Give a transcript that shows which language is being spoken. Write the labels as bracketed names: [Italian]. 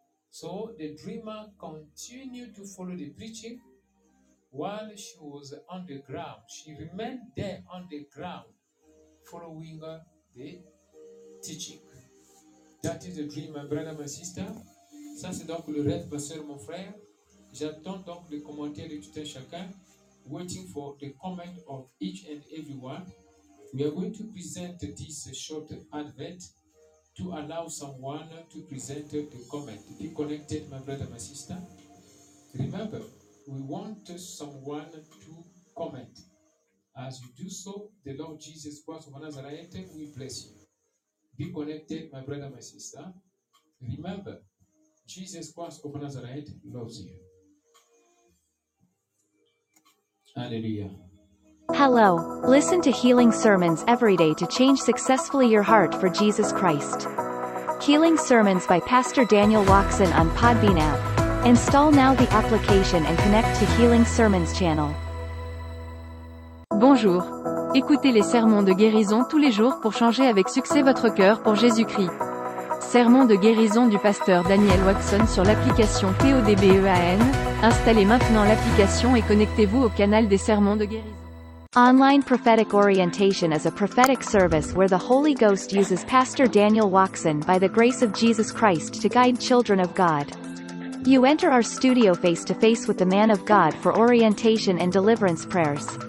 [English] So the dreamer continued to follow the preaching while she was on the ground. She remained there on the ground following the teaching. That is the dream, my brother, my sister. [French] Ça, c'est donc le rêve, ma soeur, mon frère. J'attends donc les commentaires de tout un chacun. [English] Waiting for the comment of each and everyone. We are going to present this short advent to allow someone to present the comment. Be connected, my brother, my sister. Remember, we want someone to comment. As you do so, the Lord Jesus Christ of Nazareth will bless you. Be connected, my brother, my sister. Remember, Jesus Christ of Nazareth loves you. Hallelujah. Hello. Listen to healing sermons every day to change successfully your heart for Jesus Christ. Healing sermons by Pastor Daniel Waxon on Podbean app. Install now the application and connect to Healing Sermons channel. [French] Bonjour. Écoutez les sermons de guérison tous les jours pour changer avec succès votre cœur pour Jésus-Christ. Sermon de guérison du pasteur Daniel Waxon sur l'application PODBEAN. Installez maintenant l'application et connectez-vous au canal des sermons de guérison. [English] Online prophetic orientation is a prophetic service where the Holy Ghost uses Pastor Daniel Waxon by the grace of Jesus Christ to guide children of God. You enter our studio face to face with the man of God for orientation and deliverance prayers.